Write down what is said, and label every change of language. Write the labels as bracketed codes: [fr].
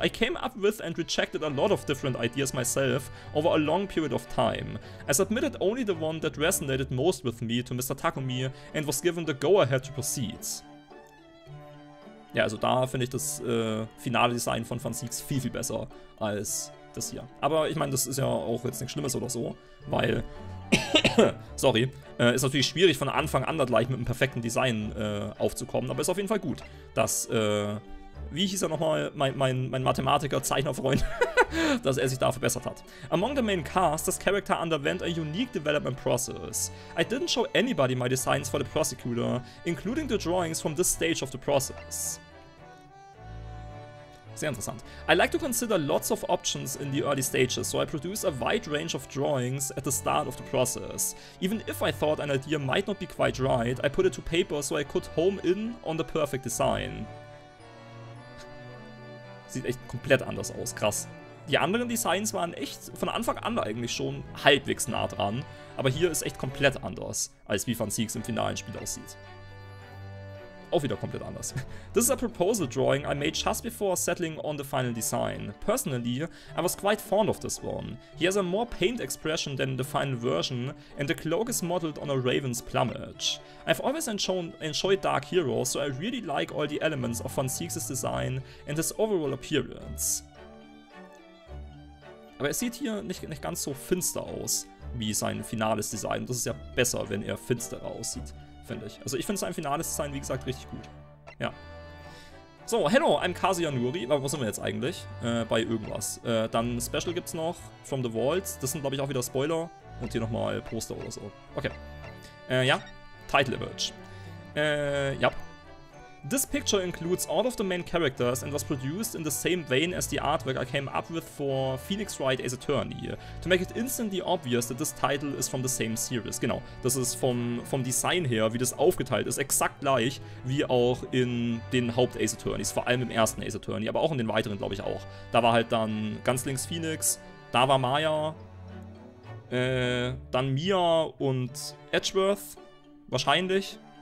[en] I came up with and rejected a lot of different ideas myself over a long period of time. I submitted only the one that resonated most with me to Mr. Takumi and was given the go-ahead to proceed. [de] Ja, also da finde ich das finale Design von Van Seeks viel, viel besser als das hier. Aber ich meine, das ist ja auch jetzt nichts Schlimmes oder so, weil... Sorry. Ist natürlich schwierig, von Anfang an da gleich mit einem perfekten Design aufzukommen, aber ist auf jeden Fall gut, dass, wie hieß er nochmal, mein Mathematiker-Zeichner-Freund, dass er sich da verbessert hat. [en] Among the main cast, this character underwent a unique development process. I didn't show anybody my designs for the prosecutor, including the drawings from this stage of the process. [de] Sehr interessant. [en] I like to consider lots of options in the early stages, so I produce a wide range of drawings at the start of the process. Even if I thought an idea might not be quite right, I put it to paper so I could home in on the perfect design. [de] Sieht echt komplett anders aus, krass. Die anderen Designs waren echt von Anfang an eigentlich schon halbwegs nah dran, aber hier ist echt komplett anders, als wie Van Sieg's im finalen Spiel aussieht. Auch wieder komplett anders. [en] This is a proposal drawing I made just before settling on the final design. Personally, I was quite fond of this one. He has a more paint expression than the final version, and the cloak is modeled on a raven's plumage. I've always enjoyed Dark Heroes, so I really like all the elements of Van Sieg's design and his overall appearance. [de] Aber er sieht hier nicht ganz so finster aus, wie sein finales Design. Das ist ja besser, wenn er finsterer aussieht. Finde ich. Also ich finde sein finales Design, wie gesagt, richtig gut. Ja. So, [en] hello, I'm Kazuya Nuri. [de] Aber wo sind wir jetzt eigentlich? Bei irgendwas. Dann Special gibt's noch. From the Vault. Das sind, glaube ich, auch wieder Spoiler. Und hier nochmal Poster oder so. Okay. Ja. Title Image. Ja. [en] This picture includes all of the main characters and was produced in the same vein as the artwork I came up with for Phoenix Wright Ace Attorney. To make it instantly obvious that this title is from the same series. [de] Genau, das ist vom Design her, wie das aufgeteilt ist, exakt gleich wie auch in den Haupt-Ace Attorneys, vor allem im ersten Ace Attorney, aber auch in den weiteren, glaube ich, auch. Da war halt dann ganz links Phoenix, da war Maya, dann Mia und Edgeworth, wahrscheinlich.